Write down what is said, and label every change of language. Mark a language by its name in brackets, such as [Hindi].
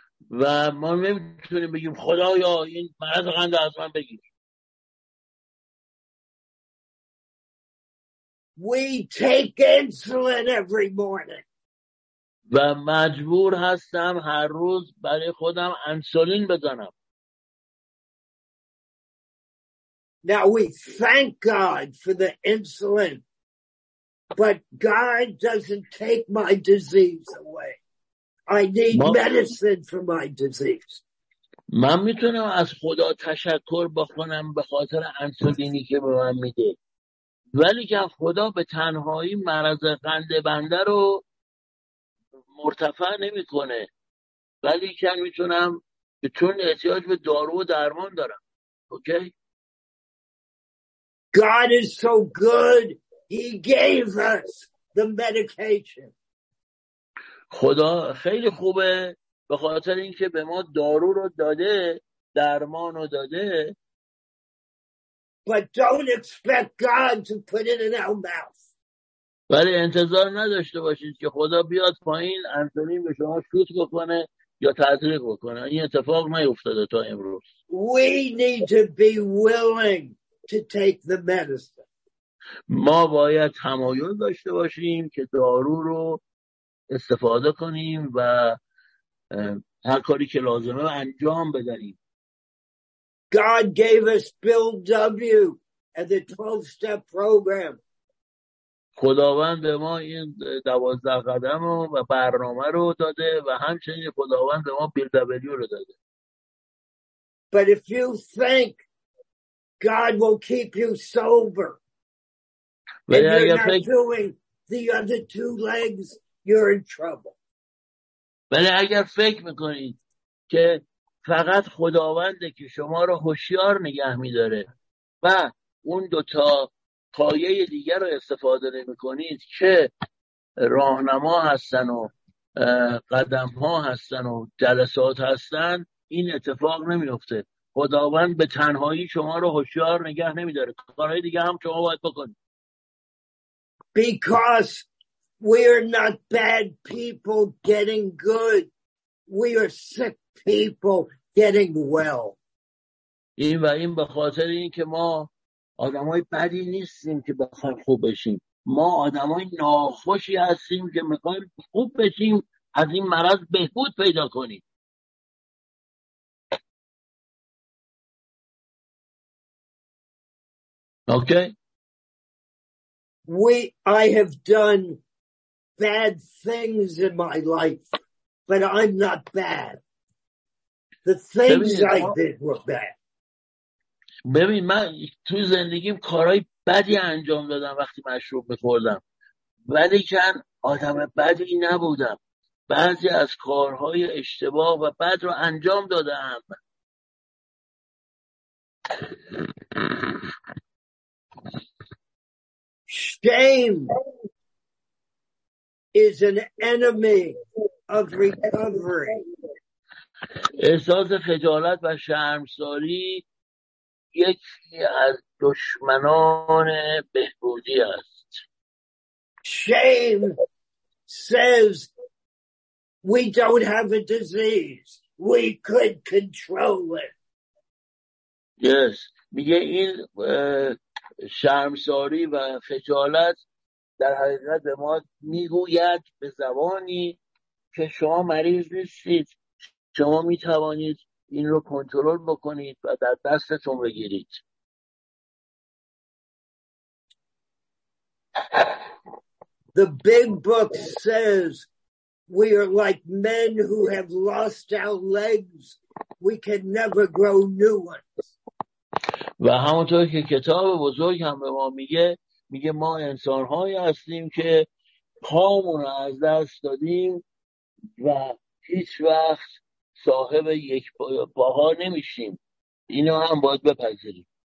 [Persian] و ما نمیتونیم بگیم خدایا این مرض قند از من بگیر. [English] We take insulin every morning. [Persian] و مجبور هستم هر روز برای خودم انسولین بزنم. [English] Now we thank God for the insulin, but God doesn't take my disease away. I need medicine for my disease. [Persian] من میتونم از خدا تشکر بکنم به خاطر انسولینی که به من میده. ولی که خدا به تنهایی مرض قند بنده رو مرتفع نمی کنه، ولی که می تونم چون احتیاج به دارو و درمان دارم. اوکی؟ [English] God is so good, he gave us the medication. [Persian] خدا خیلی خوبه به خاطر اینکه به ما دارو رو داده، درمان رو داده. [English] But don't expect God to put it in our mouth. [Persian] ولی انتظار نداشته باشید که خدا بیاد پایین انسولین به شما شوت بکنه یا تزریق بکنه. این اتفاق نیفتاده تا امروز. [English] We need to be willing to take the medicine. [Persian] ما باید تمایل داشته باشیم که دارو رو استفاده کنیم و هر کاری که لازمه انجام بدیم. [English] God gave us Bill W and the 12 step program. [Persian] خداوند به ما این 12 قدم رو و برنامه رو داده و همچنین خداوند به ما Bill W رو داده. [English] But if you think God will keep you sober and you're not doing the other two legs, you're in trouble. [Persian] ولی اگر فکر میکنید که فقط خداونده که شما رو هوشیار نگه میداره و اون دوتا پایه دیگر رو استفاده نمیکنید که راهنما هستن و قدم ها هستن و جلسات هستن، این اتفاق نمیفته. خداوند به تنهایی شما رو هوشیار نگه نمیداره، کارهای دیگه هم شما باید بکنید. [English] Because we are not bad people getting good. We are sick people getting well. [Persian] این و این به خاطر این که ما آدم های بدی نیستیم که بخواییم خوب بشیم. ما آدم های ناخوشی هستیم که میخواییم خوب بشیم، از این مرض بهبود پیدا کنیم. [English] Okay? I have done bad things in my life, but I'm not bad. The things I did were bad. [Persian] ببین من تو زندگیم کارهای بدی انجام دادم وقتی مشروب می‌خوردم، ولی چند آدم بدی نبودم. بعضی از کارهای اشتباه و بد رو انجام دادم. [English] Shame is an enemy of recovery. [Persian] احساس خجالت و شرمساری یکی از دشمنان بهبودی است. [English] Shame says we don't have a disease, we could control it. [Persian] Yes, میگه این شرمساری و خجالت در حقیقت به ما میگوید به زبانی که شما مریض نیستید، شما میتوانید این رو کنترل بکنید و در دستتون بگیرید. [English] The big book says we are like men who have lost our legs, we can never grow new ones. [Persian] و همونطور که کتاب بزرگ هم به ما میگه، میگه ما انسان‌هایی هستیم که پامون رو از دست دادیم و هیچ وقت صاحب یک پاها نمیشیم. اینو هم باید بپذیریم.